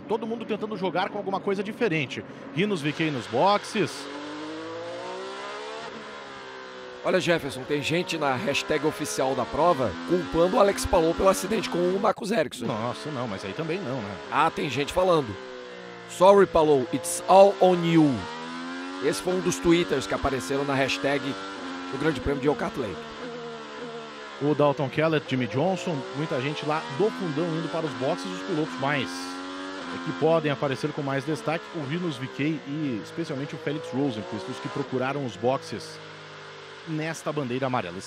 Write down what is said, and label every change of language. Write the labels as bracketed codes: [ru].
[pt] Todo mundo tentando jogar com alguma coisa diferente. Rinos Viquei nos boxes. Olha, Jefferson, tem gente na hashtag oficial da prova culpando o Alex Palou pelo acidente com o Marcus Ericsson. Nossa, não, mas aí também não, né? Ah, tem gente falando. [en] Sorry, Palou, it's all on you. [pt] Esse foi um dos twitters que apareceram na hashtag do Grande Prêmio de Yokohama Lake. O Dalton Kellett, Jimmy Johnson, muita gente lá do fundão indo para os boxes, os pilotos mais que podem aparecer com mais destaque, o Rinus Vicky e especialmente o Felix Rosenqvist, os que procuraram os boxes nesta bandeira amarela.